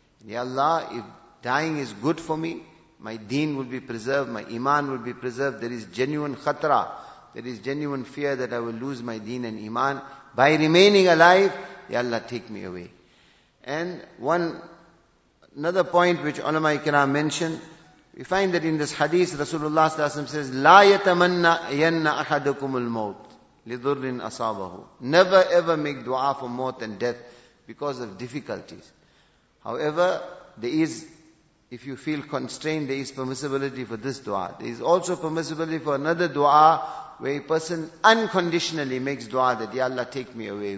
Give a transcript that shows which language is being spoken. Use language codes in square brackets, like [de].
[en] Ya Allah, if dying is good for me, my deen will be preserved, my iman will be preserved. There is genuine khatra. There is genuine fear that I will lose my deen and iman. By remaining alive, Ya Allah, take me away. And another point which ulama ikram mentioned, we find that in this hadith, Rasulullah s.a.w. says, [ar] لا يتمنى ين أحدكم الموت لضر أصابه. [en] Never ever make dua for more than death because of difficulties. However, if you feel constrained, there is permissibility for this dua. There is also permissibility for another dua where a person unconditionally makes dua that, Ya Allah, take me away.